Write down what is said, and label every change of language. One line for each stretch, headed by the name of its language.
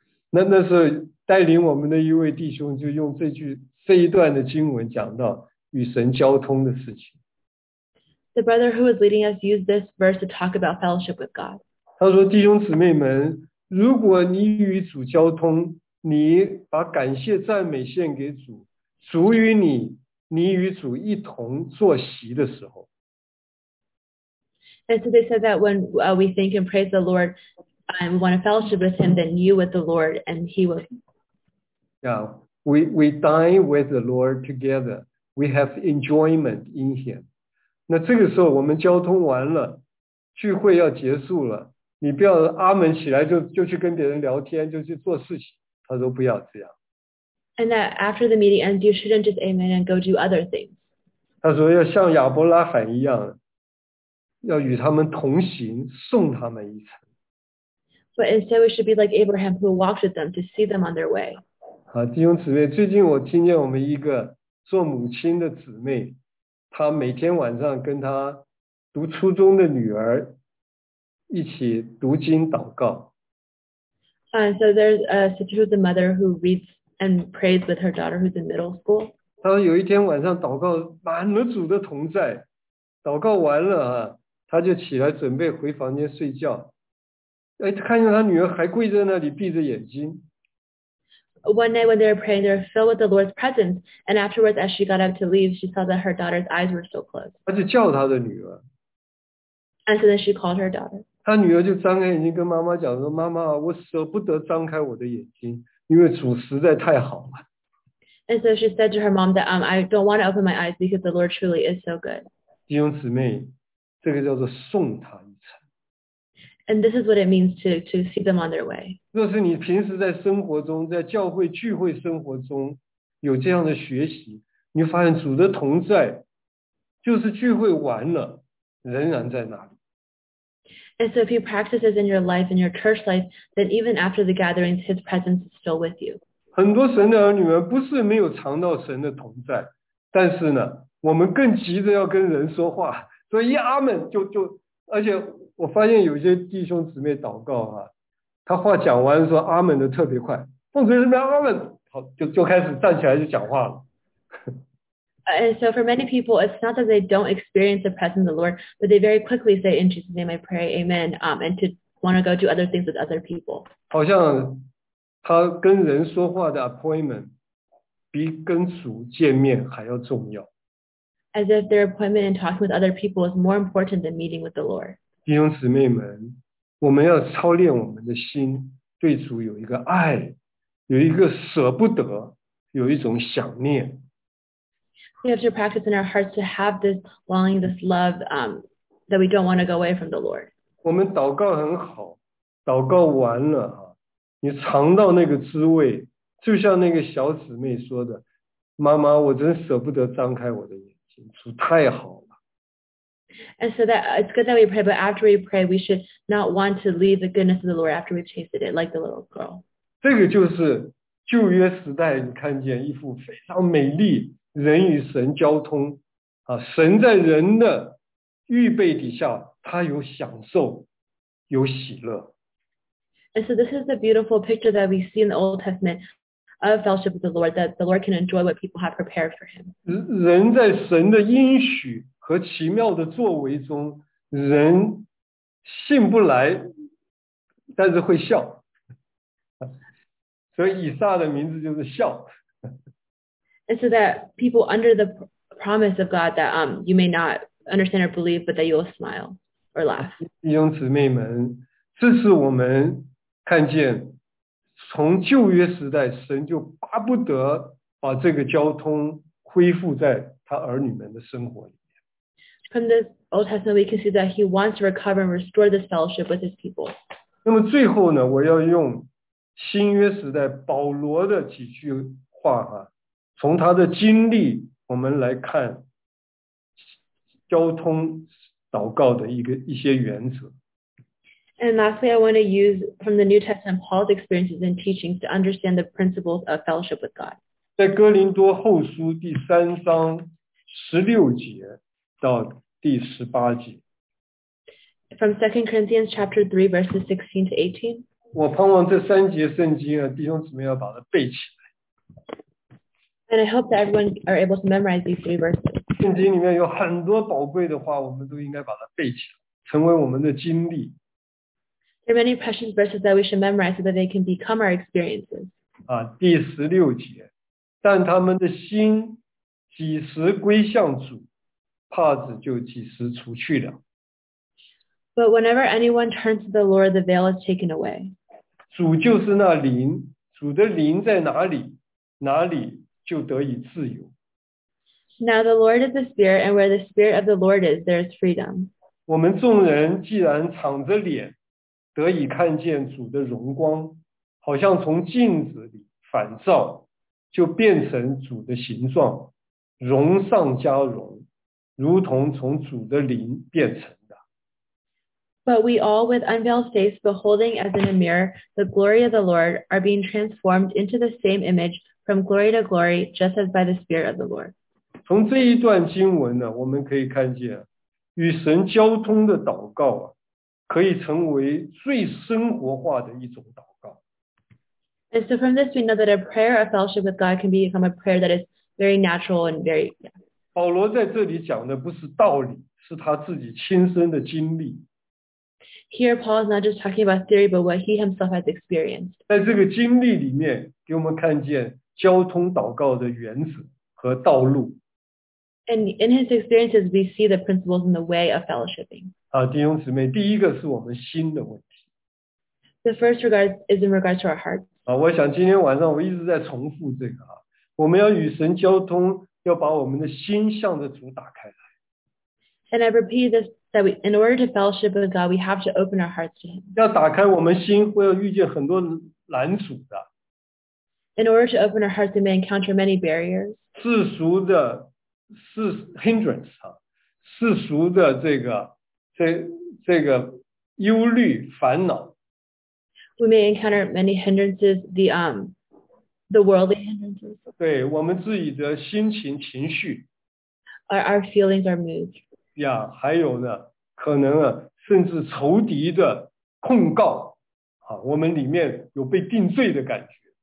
Chinese: 那时候带领我们的一位弟兄就用这一段的经文讲到。与神交通的事情。
English: The brother who was leading us used this verse to talk about fellowship with God.
Chinese: 他说：“弟兄姊妹们，如果你与主交通，你把感谢赞美献给主，主与你，你与主一同坐席的时候。”
English: And so they said that when we thank and praise the Lord, and want a fellowship with him, then you with the Lord, and he will. Yeah, we dine with the Lord together. We have enjoyment in him.
Chinese: 那这个时候我们交通完了，聚会要结束了，你不要阿门起来就去跟别人聊天，就去做事情。他说不要这样。
English: And that after the meeting ends, you shouldn't just amen and go do other things.
Chinese: 他说要像亚伯拉罕一样，要与他们同行，送他们一程。
English: But instead, we should be like Abraham who walked with them to see them on their way.
Chinese: 好，弟兄姊妹，最近我听见我们一个做母亲的姊妹，她每天晚上跟她读初中的女儿一起读经祷告。
English: So there's a sister who's a mother who reads and prays with her daughter who's in middle school.
Chinese: 她说有一天晚上祷告满了主的同在，祷告完了啊，她就起来准备回房间睡觉。哎，他看见他女儿还跪在那里闭着眼睛。
English: One night when they were praying, they were filled with the Lord's presence. And afterwards, as she got up to leave, she saw that her daughter's eyes were still closed.
Chinese: 他就叫他的女儿。
English: And so then she called her daughter.
Chinese: 他女儿就张开眼睛跟妈妈讲说：“妈妈，我舍不得张开我的眼睛，因为主实在太好了。”
English: And so she said to her mom that I don't want to open my eyes because the Lord truly is so good.
Chinese: 弟兄姊妹，这个叫做送他。
English: And this is what it means to see them on their way.
Chinese: 若是你平时在生活中，在教会聚会生活中有这样的学习，你发现主的同在，就是聚会完了，仍然在那里。
English: And so if you practice this in your life, in your church life, then even after the gatherings, his presence is still with you.
Chinese: 很多神的儿女们不是没有尝到神的同在，但是呢，我们更急着要跟人说话，所以一阿们就，而且。我发现有些弟兄姊妹祷告啊，他话讲完说阿们的特别快，奉主耶稣名阿们，好就开始站起来就讲话了。
English: And so for many people, it's not that they don't experience the presence of the Lord, but they very quickly say in Jesus' name, I pray, Amen. And to want to go do other things with other people.
Chinese: 好像他跟人说话的 appointment 比跟主见面还要重要。
English: As if their appointment and talking with other people is more important than meeting with the Lord.
Chinese: 弟兄姊妹们，我们要操练我们的心，对主有一个爱，有一个舍不得，有一种想念。
English: We have to practice in our hearts to have this longing, this love, that we don't want to go away from the Lord.
Chinese: 我们祷告很好，祷告完了啊，你尝到那个滋味，就像那个小姊妹说的：“妈妈，我真舍不得张开我的眼睛，主太好。”
English: And so that it's good that we pray, but after we pray, we should not want to leave the goodness of the Lord after we've tasted it, like the little girl.
Chinese: 这个就是旧约时代，你看见一幅非常美丽人与神交通啊，神在人的预备底下，他有享受，有喜乐。
English: And so this is the beautiful picture that we see in the Old Testament of fellowship with the Lord, that the Lord can enjoy what people have prepared for Him.
Chinese: 人在神的应许。和奇妙的作为中，人信不来，但是会笑。所以以撒的名字就是笑。
English: And so that people under the promise of God that you may not understand or believe, but that you will smile or laugh.
Chinese: 弟兄姊妹们，这是我们看见从旧约时代，神就巴不得把这个交通恢复在他儿女们的生活里。
English: From the Old Testament, we can see that he wants to recover and restore this fellowship with his people.
Chinese: 那么最后呢，我要用新约时代保罗的几句话啊，从他的经历我们来看交通祷告的一些原则。
English: And lastly, I want to use from the New Testament Paul's experiences and teachings to understand the principles of fellowship with God.
Chinese: 在哥林多后书第三章十六节。到第十八节。
English: From 2 Corinthians chapter 3, verses 16 to 18.
Chinese: 我盼望这三节圣经啊，弟兄姊妹要把它背起来。
English: And I hope that everyone are able to memorize these three verses.
Chinese: 圣经里面有很多宝贵的话，我们都应该把它背起来，成为我们的经历。
English: There are many precious verses that we should memorize so that they can become our experiences.
Chinese: 啊，第十六节，但他们的心几时归向主？帕子就几时除去了。
English: But whenever anyone turns to the Lord, the veil is taken away.
Chinese: 主就是那灵，主的灵在哪里，哪里就得以自由。
English: Now the Lord is the Spirit, and where the Spirit of the Lord is, there is freedom.
Chinese: 我们众人既然敞着脸，得以看见主的荣光，好像从镜子里反照，就变成主的形状，荣上加荣，如同从主的灵变成。
English: But we all with unveiled face, beholding as in a mirror the glory of the Lord, are being transformed into the same image from glory to glory, just as by the Spirit of the Lord.
Chinese: 从这一段经文呢，我们可以看见，与神交通的祷告啊，可以成为最生活化的一种祷告。
English: And so from this we know that a prayer of fellowship with God can become a prayer that is very natural and very, yeah.
Chinese: 保罗在这里讲的不是道理，是他自己亲身的经历。
English: Here, Paul is not just talking about theory, but what he himself has experienced.
Chinese: 在这个经历里面，给我们看见交通祷告的原则和道路。
English: And in his experiences, we see the principles in the way of fellowshipping.
Chinese: 啊，弟兄姊妹，第一个是我们心的问题。
English: The first regard is in regards to our hearts.
Chinese: 啊，我想今天晚上我一直在重复这个啊，我们要与神交通，要把我们的心向着主打开来。
English: And I repeat this. That we, in order to fellowship with God, we have to open our hearts to Him.
Chinese: 要打开我们心，会要遇见很多拦阻的。
English: In order to open our hearts, we may encounter many barriers.
Chinese: 世俗的是 hindrance 啊，世俗的这个忧虑烦恼。
English: We may encounter many hindrances, the worldly hindrances.
Chinese: 对我们自己的心情情绪。
English: Our feelings are moved.
Chinese: Yeah, 还有呢，可能啊，甚至仇敌的控告，啊，我们里面有被定罪的感觉。